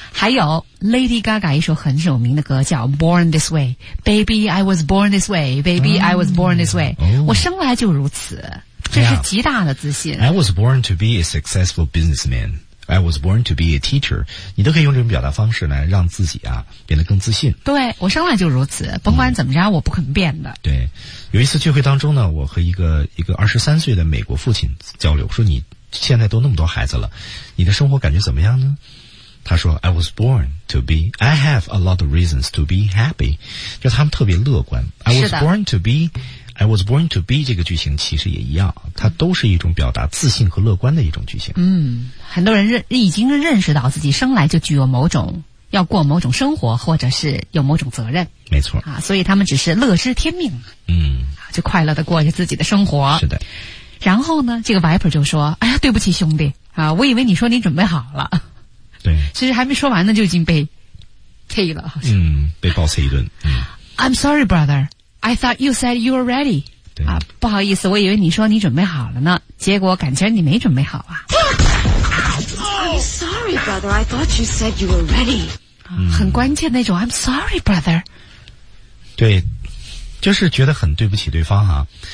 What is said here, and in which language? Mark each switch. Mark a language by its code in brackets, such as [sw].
[zh] 还有 [en] Lady Gaga [zh] 一首很有名的歌叫 [en] Born This Way Baby I was born this way Baby、I was born this way、哦、 [zh] 我生来就如此这是极大的自信、 [en] yeah. I was born to be a successful businessmanI was born to be a teacher. [zh] 你都可以用这种表达方式来让自己啊变得更自信。对我生来就如此，甭管怎么着、嗯，我不肯变的。对，有一次聚会当中呢，我和一个23岁的美国父亲交流，说你现在都那么多孩子了，你的生活感觉怎么样呢？他说 [en] ：“I was born to be. I have a lot of reasons to be happy. [zh] 就他们特别乐观。 [en] I was born to be.” I was born to be [zh] 这个句型其实也一样它都是一种表达自信和乐观的一种句型嗯，很多人已经认识到自己生来就具有某种要过某种生活或者是有某种责任没错啊，所以他们只是乐知天命嗯，就快乐地过着自己的生活是的然后呢这个 Viper 就说哎呀对不起兄弟啊，我以为你说你准备好了对其实还没说完呢就已经被踢了好像嗯，被暴踢一顿、 [en] I'm sorry brotherI thought you said you were ready. 啊， [zh] 不好意思，我以为你说你准备好了呢，结果感情你没准备好啊。 [en] I'm sorry, brother. I thought you said you were ready.、嗯、 [zh] 很关键那种 [en] I'm sorry, brother. [zh] 对，就是觉得很对不起对方啊。